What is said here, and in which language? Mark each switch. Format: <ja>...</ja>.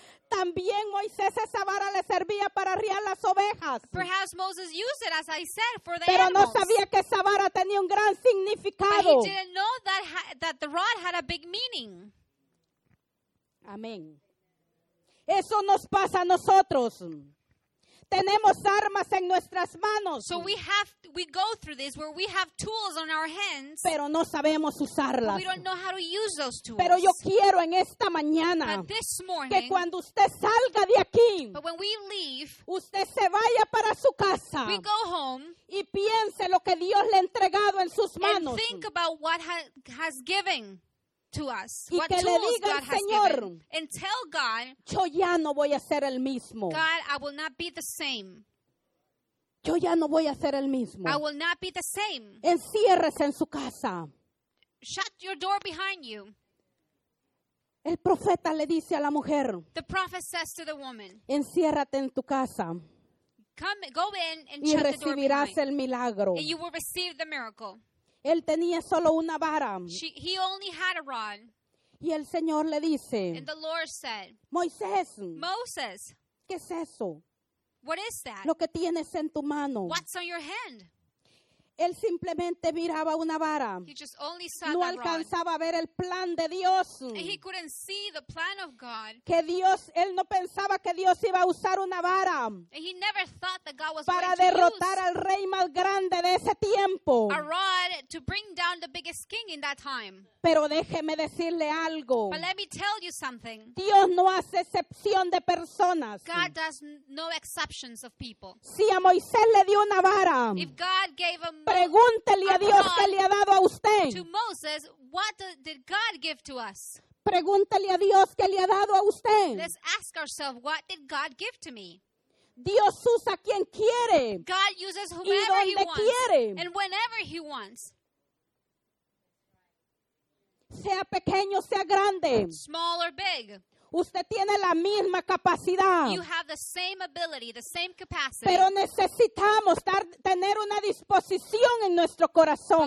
<es>También Moisés esa vara le servía para arriar las ovejas.</es> <en>Perhaps Moses used it, as I said, for the</en> <es>Pero</es> <en>animals.</en> <es>No sabía que esa vara tenía un gran significado.</es> <en>But he didn't know that that the rod had a big meaning.</en> <es>Amén. Eso nos pasa a nosotros. Tenemos armas en nuestras manos.</es> <en>So we go through this where we have tools on our hands.</en> <es>Pero no sabemos usarlas.</es> <en>We don't know how to use those tools.</en> <es>Pero yo quiero en esta mañana que cuando usted salga de aquí,</es> <en>but when we leave,</en> <es>usted se vaya para su casa.</es> <en>We go home.</en> <es>Y piense lo que Dios le ha entregado en sus manos.</es> <en>And think about what has given to us.</en> <es>Y</es> <en>what</en> <es>que</es> <en>tools</en> <es>le diga</es> <en>God</en> <es>al Señor,</es> <en>has given. And tell God,</en> <es>yo ya no voy a ser el mismo.</es> <en>God, I will not be the same.</en> <es>Yo ya no voy a ser el mismo.</es> <en>I will not be the same.</en> <es>Enciérrese en su casa.</es> <en>Shut your door behind you.</en> <es>El profeta le dice a la mujer,</es> <en>the prophet says to the woman,</en> <es>enciérrate en tu casa.</es> <en>Come, go in and</en> <es>y recibirás el milagro.</es> <en>And you will receive the miracle.</en> <es>Él tenía solo una vara.</es> <en>He only had a rod.</en> <es>Y el Señor le dice,</es> <en>and the Lord said,</en> <es>Moisés,</es> <en>Moses,</en> <es>¿qué es eso?</es> <en>What is that?</en> <es>Lo que tienes en tu mano.</es> <en>What's on your hand?</en> <es>Él simplemente miraba una vara.</es> <en>He just only saw</en> <es>no alcanzaba a ver el plan de Dios.</es> <en>And he couldn't see the plan of God.</en> <es>Que Dios, él no pensaba que Dios iba a usar una vara.</es> <en>And he never thought that God was</en> <es>para</es> <en>going</en> <es>derrotar</es> <en>to</en> <es>al rey más grande de ese tiempo.</es> <en>A rod to bring down the biggest king in that time.</en> <es>Pero déjeme decirle algo.</es> <en>But let me tell you something.</en> <es>Dios no hace excepción de personas.</es> <en>God does no exceptions of people.</en> <es>Si a Moisés le dio una vara,</es> <en>if God gave him,</en> <es>pregúntele a Dios qué le ha dado a usted.</es> <en>To Moses, what did God give to us?</en> <es>Pregúntele a Dios qué le ha dado a usted.</es> <en>Let's ask ourselves, what did God give to me?</en> <es>Dios usa quien quiere.</es> <en>God uses whomever</en> <es>y donde</es> <en>he wants.</en> <es>Quiere.</es> <en>And whenever he wants.</en> <es>Sea pequeño, sea grande.</es> <en>Small or big.</en> <es>Usted tiene la misma capacidad.</es> <en>You have the same ability, the same capacity.</en> <es>Pero necesitamos tener una disposición en nuestro corazón.</es>